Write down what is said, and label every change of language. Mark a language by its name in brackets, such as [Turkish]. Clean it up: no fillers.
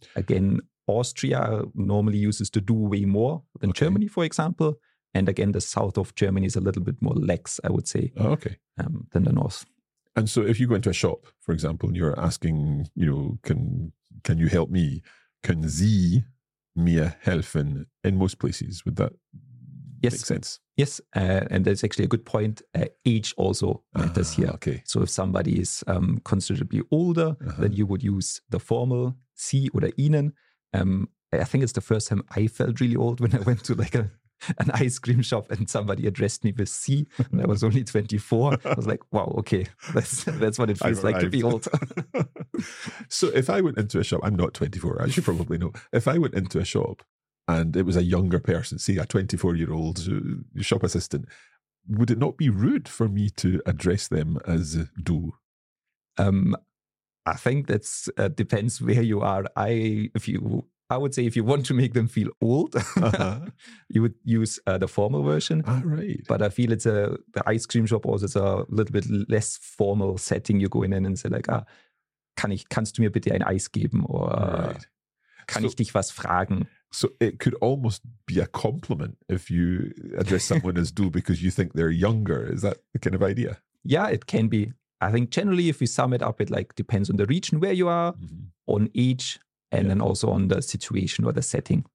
[English] Again, Austria normally uses the du way more than Germany, for example. And again, the south of Germany is a little bit more lax, I would say, than the north. And so if you go into a shop, for example, and you're asking, you know, can you help me? Can [German] Sie mir helfen [English] in most places? Would that make sense? Yes. And that's actually a good point. Age also matters here. Okay. So if somebody is considerably older, then you would use the formal [German] Sie oder Ihnen. [English] I think it's the first time I felt really old when I went to like an ice cream shop and somebody addressed me with C and I was only 24. I was like, wow, okay, that's what it feels like to be old. So if I went into a shop, I'm not 24, as you probably know. If I went into a shop and it was a younger person, say a 24-year-old shop assistant, would it not be rude for me to address them as du? I think that's depends where you are. I would say if you want to make them feel old, you would use the formal version. Ah, right. But I feel it's the ice cream shop also is a little bit less formal setting. You go in and say like, [German] kannst du mir bitte ein Eis geben? [English] Or [German] ich dich was fragen? [English] So it could almost be a compliment if you address someone as du because you think they're younger. Is that the kind of idea? Yeah, it can be. I think generally, if we sum it up, it like depends on the region where you are, on age, and then also on the situation or the setting.